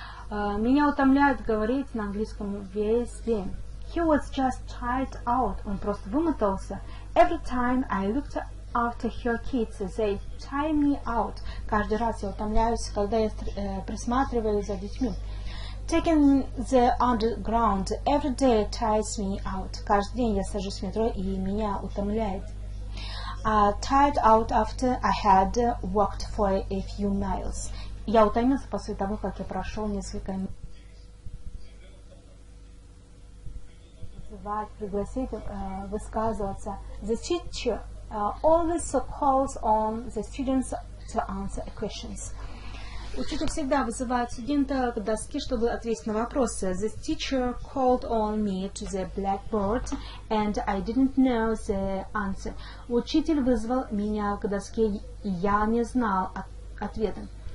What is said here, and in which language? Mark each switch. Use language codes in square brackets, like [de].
[ru] Меня утомляет говорить на английском весь день. [en] He was just tired out. [ru] Он просто вымотался. [en] Every time I looked after her kids, they tire me out. [ru] Каждый раз я утомляюсь, когда я присматриваю за детьми. [en] Taking the underground every day tires me out. [ru] Каждый день я сажусь в метро и меня утомляет. [en] Tired out after I had walked for a few miles. [ru] Я утомился после того, как я прошел несколько звать, пригласить, высказываться. [en] The teacher always calls on the students to answer questions. [ru] Учитель всегда вызывает студента к доске, чтобы ответить на вопросы. [en] The teacher called on me to the blackboard, and I didn't know the answer. [ru] Учитель вызвал меня к доске, я не знал ответа.